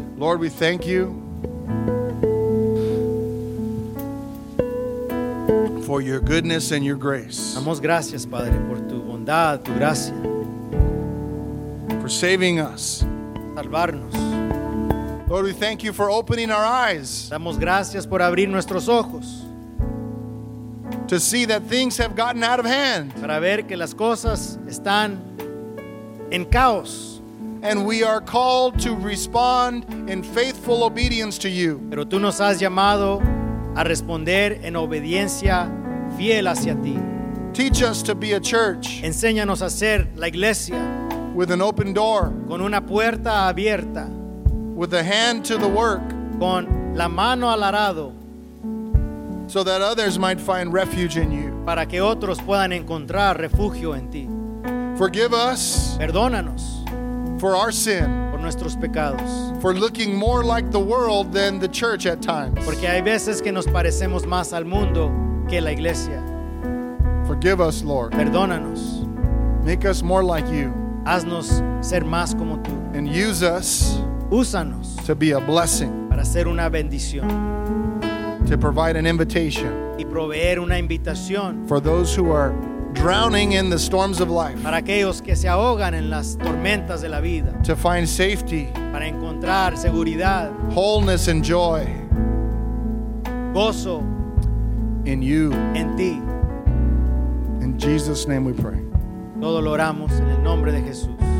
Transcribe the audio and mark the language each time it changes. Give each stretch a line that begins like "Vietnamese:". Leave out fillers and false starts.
English: Lord, we thank you for your goodness and your grace.
Spanish: Damos gracias, Padre, por tu bondad, tu gracia.
English: for saving us.
Spanish: Salvarnos.
English: Lord, we thank you for opening our eyes.
Spanish: Damos gracias por abrir nuestros ojos.
English: To see that things have gotten out of hand.
Spanish: Para ver que las cosas están en caos.
English: And we are called to respond in faithful obedience to you.
Spanish: Pero tú nos has llamado a responder en obediencia fiel hacia ti.
English: Teach us to be a church.
Spanish: Enséñanos a ser la iglesia.
English: With an open door.
Spanish: Con una puerta abierta.
English: With a hand to the work.
Spanish: Con la mano al arado.
English: So that others might find refuge in you.
Spanish: Para que otros puedan encontrar refugio en ti.
English: Forgive us.
Spanish: Perdónanos.
English: For our sin.
Spanish: Por nuestros pecados.
English: For looking more like the world than the church at times.
Spanish: Porque hay veces que nos parecemos más al mundo que la iglesia.
English: Forgive us, Lord.
Spanish: Perdónanos.
English: Make us more like you.
Spanish: Haznos ser más como tú.
English: And use us.
Spanish: Úsanos.
English: To be a blessing.
Spanish: Para ser una bendición.
English: To provide an invitation.
Spanish: Y proveer una invitación.
English: For those who are drowning in the storms of life.
Spanish: Para aquellos que se ahogan en las tormentas de la vida.
English: To find safety.
Spanish: Para encontrar seguridad.
English: Wholeness and joy.
Spanish: Gozo.
English: In you.
Spanish: En ti.
English: In Jesus' name we pray.
Spanish: Todo lo oramos en el nombre de Jesús.